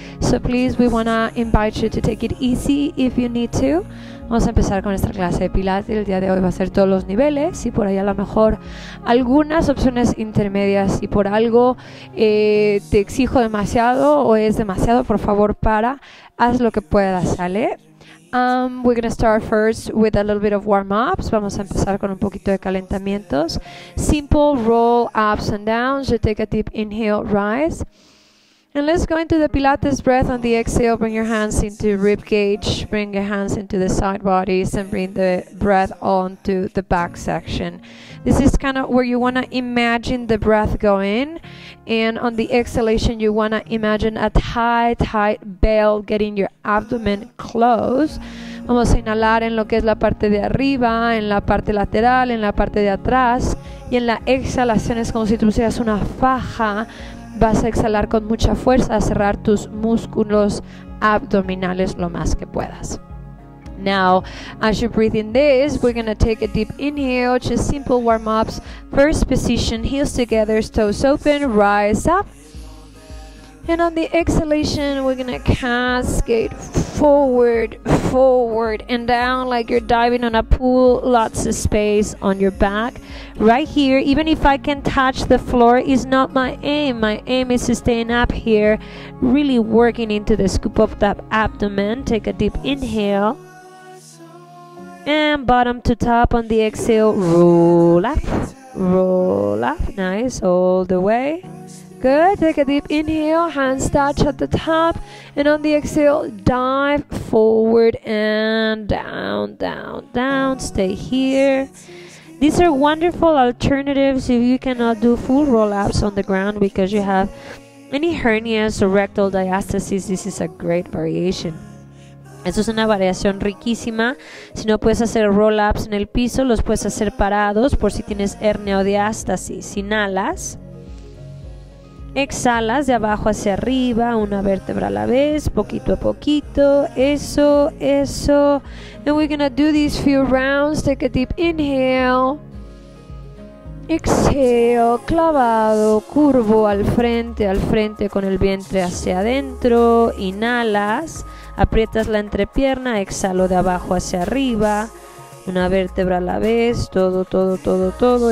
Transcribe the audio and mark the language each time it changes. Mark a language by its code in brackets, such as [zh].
[en] So please, we want to invite you to take it easy if you need to. [es] Vamos a empezar con esta clase de Pilates. El día de hoy va a ser todos los niveles y por ahí a lo mejor algunas opciones intermedias. Y por algo te exijo demasiado o es demasiado, por favor, para, haz lo que puedas, ¿sale? [en] We're going to start first with a little bit of warm-ups. [es] Vamos a empezar con un poquito de calentamientos. [en] Simple roll ups and downs. You take a deep inhale, rise. And let's go into the Pilates breath. On the exhale, bring your hands into rib cage, bring your hands into the side bodies, and bring the breath onto the back section. This is kind of where you want to imagine the breath going. And on the exhalation, you want to imagine a tight, tight bell getting your abdomen closed. [es] Vamos a inhalar en lo que es la parte de arriba, en la parte lateral, en la parte de atrás. Y en la exhalación es como si tú hicieras una faja. Vas a exhalar con mucha fuerza, a cerrar tus músculos abdominales lo más que puedas. [en] Now, as you breathe in this, we're going to take a deep inhale, just simple warm-ups. First position, heels together, toes open, rise up. And on the exhalation, we're going to cascade forward, forward and down like you're diving on a pool, lots of space on your back. Right here, even if I can touch the floor, is not my aim. My aim is to stay up here, really working into the scoop of that abdomen. Take a deep inhale. And bottom to top on the exhale, roll up, nice, all the way. Good, take a deep inhale, hands touch at the top, and on the exhale, dive forward and down, down, down, stay here. These are wonderful alternatives if you cannot do full roll-ups on the ground because you have any hernias or rectal diastasis. This is a great variation. [es] Eso es una variación riquísima. Si no puedes hacer roll-ups en el piso, los puedes hacer parados por si tienes hernia o diástasis. Inhalas. Exhalas de abajo hacia arriba, una vértebra a la vez, poquito a poquito, eso, eso. [en] And we're gonna do these few rounds, take a deep inhale. [es] Exhale, clavado, curvo al frente con el vientre hacia adentro. Inhalas, aprietas la entrepierna, exhalo de abajo hacia arriba. Una vértebra a la vez, todo, todo, todo, todo.